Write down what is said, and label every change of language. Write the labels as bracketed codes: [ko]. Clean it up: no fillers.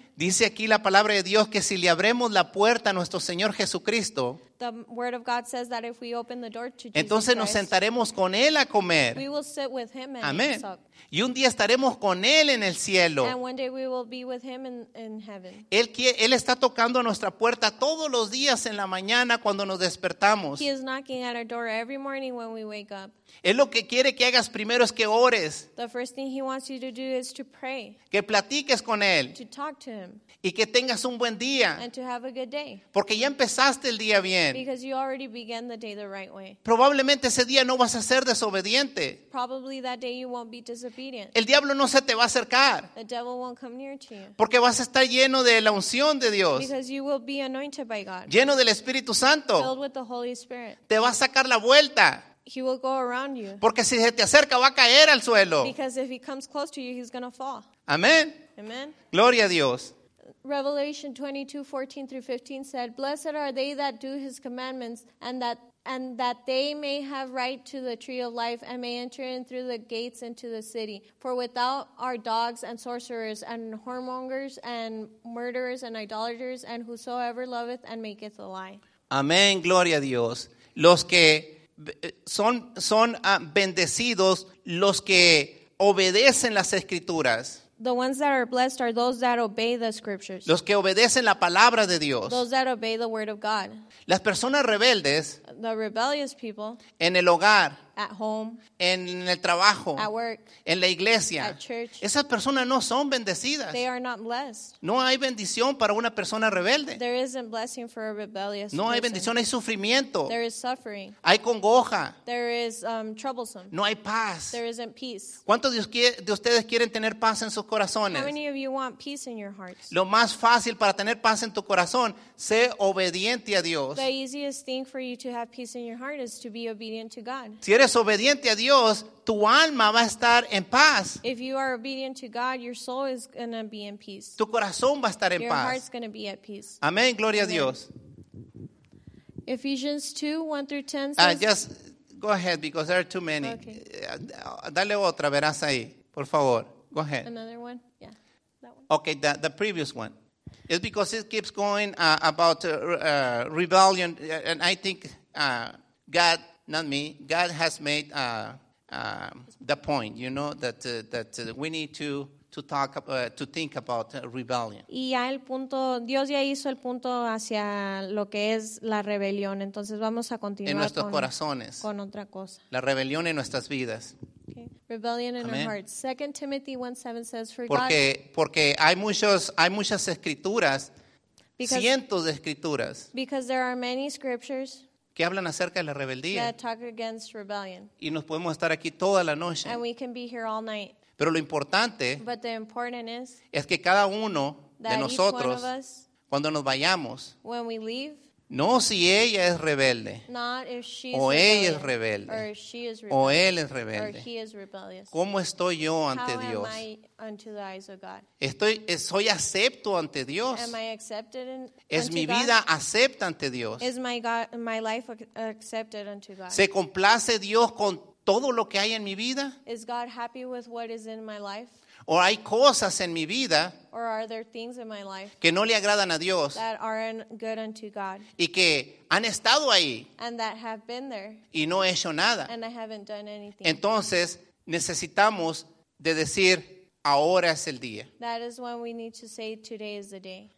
[es] Dice aquí la palabra de Dios que si le abremos la puerta a nuestro Señor Jesucristo, [en] the word of God says that if we open the door to Jesus, [es] entonces nos sentaremos con Él a comer. [en] We will sit with Him and [es] amén. Y un día estaremos con Él en el cielo. [en] And one day we will be with Him in heaven. [es] Él está tocando a nuestra puerta todos los días en la mañana cuando nos despertamos. [en] He is knocking at our door every morning when we wake up. [es] Él lo que quiere que hagas primero es que ores. [en] The first thing He wants you to do is to pray. [es] Que platiques con Él. [en] To talk to Him. [es] Y que tengas un buen día. [en] And to have a good day. [es] Porque ya empezaste el día bien. [en] Because you already began the day the right way. [es] Probablemente ese día no vas a ser desobediente. [en] Probably that day you won't be disobedient. [es] El diablo no se te va a acercar. [en] The devil won't come near to you. [es] Porque vas a estar lleno de la unción de Dios. [en] Because you will be anointed by God. [es] Lleno del Espíritu Santo. [en] Filled with the Holy Spirit. [es] Te va a sacar la vuelta. [en] He will go around you. [es] Porque si se te acerca va a caer al suelo. [en] Because if he comes close to you, he's going to fall. [es] Amén. [en] Amen. [es] Gloria a Dios. [en] Revelation 22:14-15 said, "Blessed are they that do his commandments, and that they may have right to the tree of life, and may enter in through the gates into the city. For without are dogs and sorcerers and whoremongers and murderers and idolaters and whosoever loveth and maketh a lie." [es] Amén, gloria a Dios. Los que son bendecidos, los que obedecen las escrituras. [en] The ones that are blessed are those that obey the scriptures. [es] Los que obedecen la palabra de Dios. [en] Those that obey the word of God. [es] Las personas rebeldes. [en] The rebellious people. [es] En el hogar. [en] At home. [es] En el trabajo. [en] At work. [es] En la iglesia. [en] At church. [es] Esas personas no son bendecidas. [en] They are not blessed. [es] No hay bendición para una persona rebelde. [en] There isn't blessing for a rebellious person. [es] No hay bendición, hay sufrimiento. [en] There is suffering. [es] Hay congoja. [en] There is troublesome. [es] No hay paz. [en] There isn't peace. [es] ¿Cuántos de ustedes quieren tener paz en sus corazones? [en] How many of you want peace in your hearts? [es] Lo más fácil para tener paz en tu corazón, sé obediente a Dios. [en] The easiest thing for you to have peace in your heart is to be obedient to God. [es] Si eres obediente a Dios, tu alma va a estar en paz. [en] If you are obedient to God, your soul is going to be in peace. [es] Tu corazón va a estar en paz. [en] Your heart's going to be at peace. [es] Amén, gloria a Dios. [en] Ephesians 2:1-10 says, just go ahead because there are too many. Okay. [es] Dale otra, verás ahí, por favor. [en] Go ahead. Another one? Yeah. That one. Okay, the previous one. It's because it keeps going about rebellion, and I think God, not me, God has made the point, you know, that we need to think about rebellion. [es] Y ya el punto, Dios ya hizo el punto hacia lo que es la rebelión. Entonces vamos a continuar en nuestros corazones, con otra cosa. La rebelión en nuestras vidas. [en] Rebellion in our hearts. 2 Timothy 1:7 says, "For [es] porque hay muchas escrituras, cientos de escrituras, [en] because there are many scriptures [es] que hablan acerca de la rebeldía, [en] that talk against rebellion, [es] y nos podemos estar aquí toda la noche, [en] and we can be here all night. [es] Pero lo importante, [en] but the important is, [es] es que cada uno de nosotros, [en] each one of us, [es] cuando nos vayamos, [en] when we leave, [es] no si ella es rebelde, [en] not if she's [es] o ella es rebelde, [en] or she is rebellious, [es] o él es rebelde, [en] or he is rebellious. [es] ¿Cómo estoy yo ante [en] How [es] Dios? [en] Am I unto the eyes of God? [es] ¿Soy acepto ante Dios? [en] Am I accepted [es] ¿Es [en] unto [es] mi [en] God? [es] Vida acepta ante Dios? [en] Is my God, my life accepted unto God? [es] ¿Se complace Dios con todo lo que hay en mi vida? [en] Is God happy with what is in my life? [es] ¿O hay cosas en mi vida [en] or are there things in my life [es] que no le agradan a Dios [en] that aren't good unto God [es] y que han estado ahí [en] and that have been there [es] y no he hecho nada? [en] And I haven't done anything. [es] Entonces necesitamos de decir, ahora es el día. [en] That is when we need to say, today is the day.